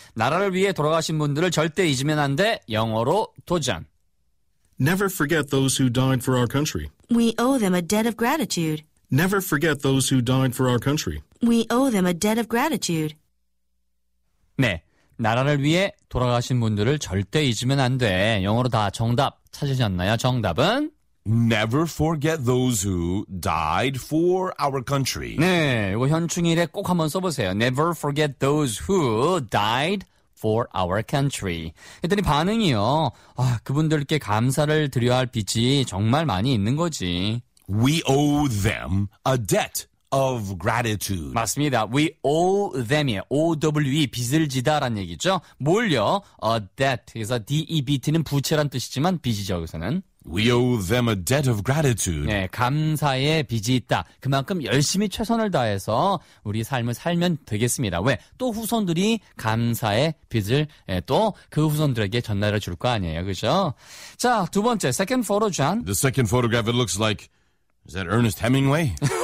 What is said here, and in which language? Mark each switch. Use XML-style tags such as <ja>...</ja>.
<ko>나라를 위해 돌아가신 분들을 절대 잊으면 안 돼. 영어로 도전.</ko> <en>Never forget those who died for our country. We owe them a debt of gratitude. Never forget those who died for our country. We owe them a debt of gratitude.</en> <ko>네. 나라를 위해 돌아가신 분들을 절대 잊으면 안 돼. 영어로 다 정답 찾으셨나요? 정답은?</ko> <en>Never forget those who died for our country.</en> <ko>네, 이거 현충일에 꼭 한번 써보세요.</ko> <en>Never forget those who died for our country.</en> <ko>했더니 반응이요. 아, 그분들께 감사를 드려야 할 빚이 정말 많이 있는 거지.</ko> <en>We owe them a debt. Of gratitude.</en> <ko>맞습니다.</ko> <en>We owe them.</en> <ko>O-W-E, 빚을 지다라는 얘기죠. 뭘요?</ko> <en>A debt.</en> <ko>그래서 D-E-B-T는 부채란 뜻이지만 빚이죠, 여기서는.</ko> <en>We owe them a debt of gratitude.</en> <ko>네, 감사의 빚이 있다. 그만큼 열심히 최선을 다해서 우리 삶을 살면 되겠습니다. 왜? 또 후손들이 감사의 빚을 또 그 후손들에게 전달해 줄 거 아니에요, 그죠? 자, 두 번째,</ko> <en>second photo,</en> <ko>John.</ko> <en>The second photograph, it looks like, is that Ernest Hemingway?</en>